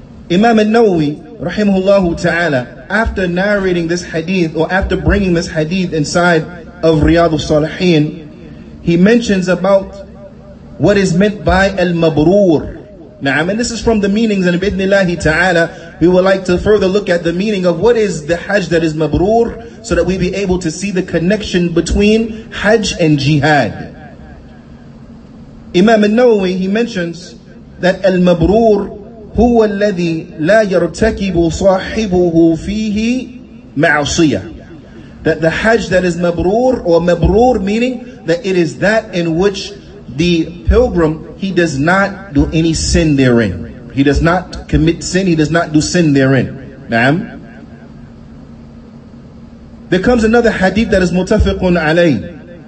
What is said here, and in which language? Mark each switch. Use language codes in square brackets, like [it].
[en] Imam al-Nawawi, rahimahullah ta'ala, after narrating this hadith, or after bringing this hadith inside of Riyadh al-Salihin, he mentions about what is meant by al-Mabrur. Na'am, and this is from the meanings, and bi'idhnillahi ta'ala, we would like to further look at the meaning of what is the Hajj that is Mabrur, so that we be able to see the connection between Hajj and Jihad. Imam al-Nawawi, he mentions that al-Mabrur [ar] هو الذي لا يرتكب صاحبه فيه معصية. [en] That the Hajj that is Mabrur, or Mabrur meaning that it is that in which the pilgrim, he does not do any sin therein. He does not commit sin, he does not do sin therein. Naam. There comes another hadith that is mutafiqun alayh.